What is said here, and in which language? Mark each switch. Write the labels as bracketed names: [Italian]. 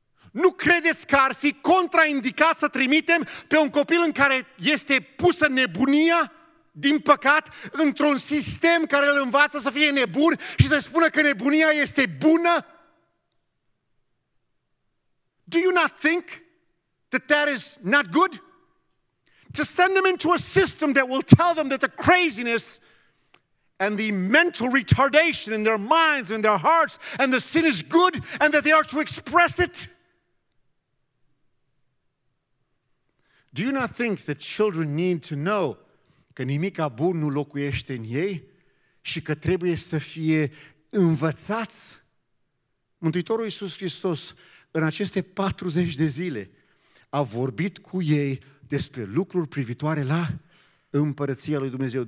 [Romanian] Nu credeți că ar fi contraindicat să trimitem pe un copil în care este pusă nebunia, din păcat, într-un sistem care îl învață să fie nebun și să spună că nebunia este bună? [English] Do you not think that that is not good? To send them into a system that will tell them that the craziness and the mental retardation in their minds and their hearts and the sin is good and that they are to express it? Do you not think that children need to know [Romanian] că nimica bun nu locuiește în ei și că trebuie să fie învățați? Mântuitorul Iisus Hristos în aceste 40 de zile a vorbit cu ei despre lucruri privitoare la împărăția lui Dumnezeu.